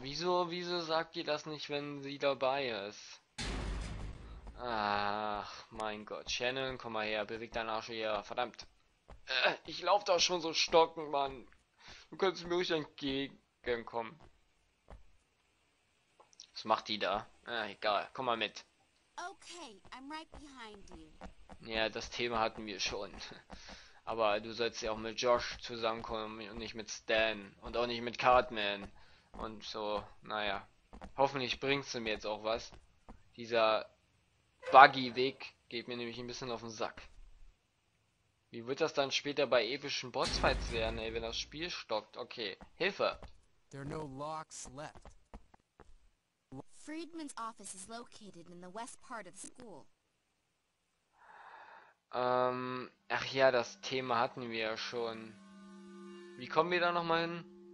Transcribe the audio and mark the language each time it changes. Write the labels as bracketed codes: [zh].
[de] Wieso sagt ihr das nicht, wenn sie dabei ist? Ach, mein Gott. Shannon, komm mal her, beweg deinen Arsch hier. Verdammt. Ich lauf doch schon so stocken, Mann. Du könntest mir ruhig entgegenkommen. Was macht die da? Egal, komm mal mit. [en] Okay, I'm right behind you. [de] Ja, das Thema hatten wir schon. Aber du sollst ja auch mit Josh zusammenkommen und nicht mit Stan und auch nicht mit Cartman. Und so, naja. Hoffentlich bringst du mir jetzt auch was. Dieser Buggy-Weg geht mir nämlich ein bisschen auf den Sack. Wie wird das dann später bei epischen Bossfights werden, ey, wenn das Spiel stockt? Okay, Hilfe! [en] There are no locks left. Friedman's office is located in the west part of the school. [de] Ach ja, das Thema hatten wir ja schon. Wie kommen wir da noch mal hin?